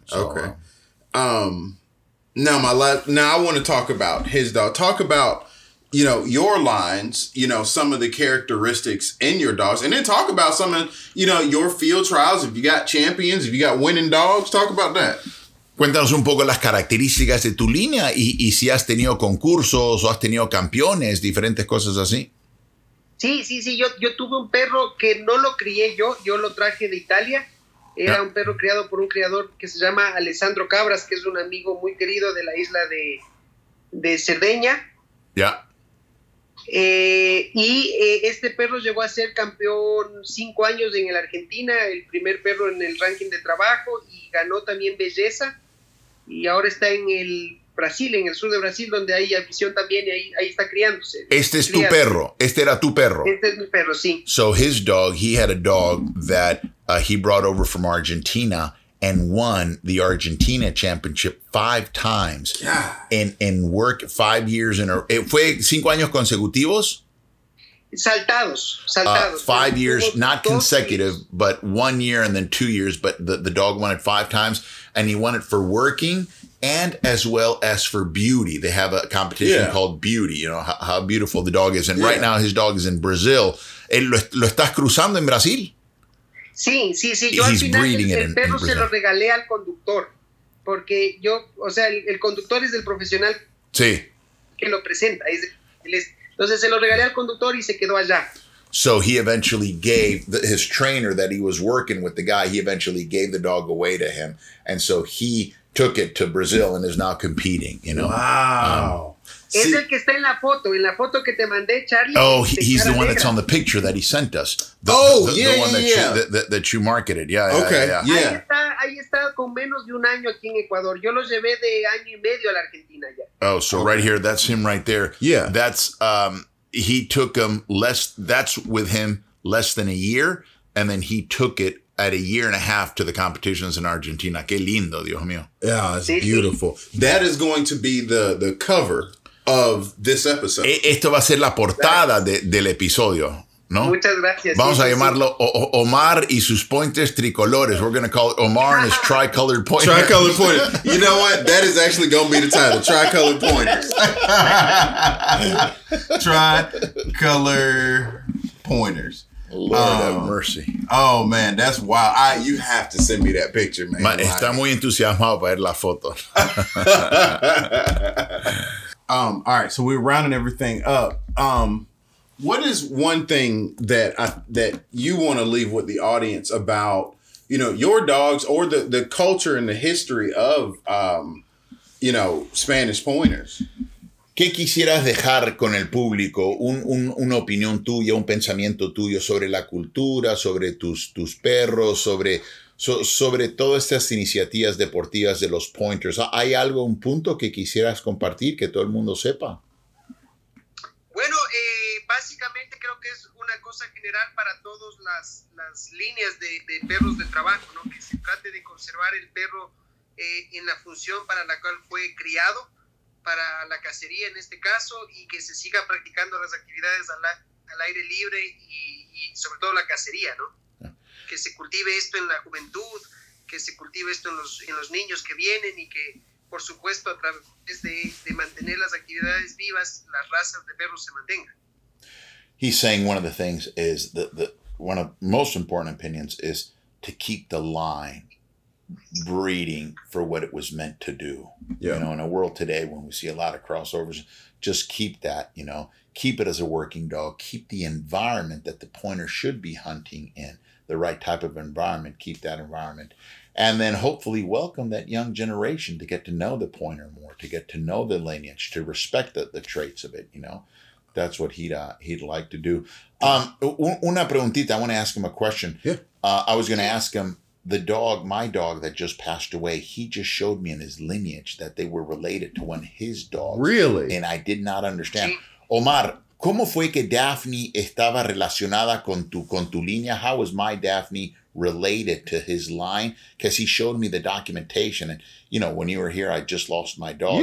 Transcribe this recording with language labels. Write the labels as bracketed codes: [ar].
[en] So, okay. Now my last. Now I want to talk about his dog. Talk about, you know, your lines. You know, some of the characteristics in your dogs, and then talk about some of, you know, your field trials. If you got champions, if you got winning dogs, talk about that. [es] Cuéntanos un poco las características de tu línea y si has tenido concursos o has tenido campeones, diferentes cosas así. Sí. Yo tuve un perro que no lo crié yo. Yo lo traje de Italia. Era un perro criado por un criador que se llama Alessandro Cabras, que es un amigo muy querido de la isla de Cerdeña. Ya. [en] Yeah. [es] Y este perro llegó a ser campeón 5 años en el Argentina, el primer perro en el ranking de trabajo, y ganó también belleza. Y ahora está en el Brasil, en el sur de Brasil, donde hay afición también, y ahí está criándose. Este es tu perro. Este era tu perro. Este es mi perro, sí. [en] So his dog, he had a dog that he brought over from Argentina and won the Argentina championship 5 times. Yeah. And work 5 years in a row. [es] ¿Fue 5 años consecutivos? Saltados. [en] 5 years, not consecutive, but 1 year and then 2 years. But the dog won it 5 times, and he won it for working and as well as for beauty. They have a competition called Beauty, you know, how beautiful the dog is. And right now his dog is in Brazil. [es] ¿Lo estás cruzando en Brasil? Sí. Yo [en] He's [es] al final [en] breeding [es] el perro in se Brazil. Lo regalé al conductor, porque yo, o sea, el conductor es el profesional que lo presenta. Entonces se lo regalé al conductor y se quedó allá. [en] So he eventually gave his trainer that he was working with, the guy, he eventually gave the dog away to him. And so he took it to Brazil and is now competing, you know. Wow. [es] Es el que está en la foto que te mandé, Charlie. [en] Oh, he's the one that's on the picture that he sent us. The one that you marketed. Yeah. [es] Ahí está con menos de un año aquí en Ecuador. Yo lo llevé de año y medio a la Argentina ya. [en] Oh, so right here, that's him right there. Yeah. That's he took him less than a year, and then he took it at a year and a half to the competitions in Argentina. [es] Qué lindo, Dios mío. [en] Yeah, it's beautiful. That is going to be the cover of this episode. [es] Esto va a ser la portada del episodio, ¿no? Muchas gracias. Vamos a llamarlo Omar y sus pointes tricolores. [en] We're going to call it Omar and his tricolored pointers. Tricolored pointers. You know what? That is actually going to be the title. Tricolored pointers. Tricolor pointers. Lord have mercy. Oh, man, that's wild. You have to send me that picture, man. [es] Está muy entusiasmado para ver la foto. [en] All right, so we're rounding everything up. What is one thing that you want to leave with the audience about, you know, your dogs or the culture and the history of, you know, Spanish pointers? [es] ¿Qué quisieras dejar con el público? Una opinión tuya, un pensamiento tuyo sobre la cultura, sobre tus perros, sobre todas estas iniciativas deportivas de los pointers. ¿Hay algo, un punto que quisieras compartir, que todo el mundo sepa? Bueno, básicamente creo que es una cosa general para todas las líneas de perros de trabajo, ¿no? Que se trate de conservar el perro en la función para la cual fue criado, para la cacería en este caso, y que se siga practicando las actividades al aire libre y sobre todo la cacería, ¿no? Que se cultive esto en la juventud, que se cultive esto en los niños que vienen y que, por supuesto, a través de mantener las actividades vivas, las razas de perros se mantengan. [en] He's saying one of the things is that the one of most important opinions is to keep the line breeding for what it was meant to do. Yeah. You know, in a world today when we see a lot of crossovers, just keep that, you know, keep it as a working dog, keep the environment that the pointer should be hunting in, the right type of environment, keep that environment. And then hopefully welcome that young generation to get to know the pointer more, to get to know the lineage, to respect the traits of it, you know. That's what he'd like to do. [es] Una preguntita, [en] I want to ask him a question. Yeah. I was going to ask him, the dog, my dog that just passed away, he just showed me in his lineage that they were related to one of his dogs. Really? And I did not understand. [es] Omar, ¿cómo fue que Daphne estaba relacionada con tu línea? [en] How was my Daphne related to his line? Because he showed me the documentation. And, you know, when you were here, I just lost my dog.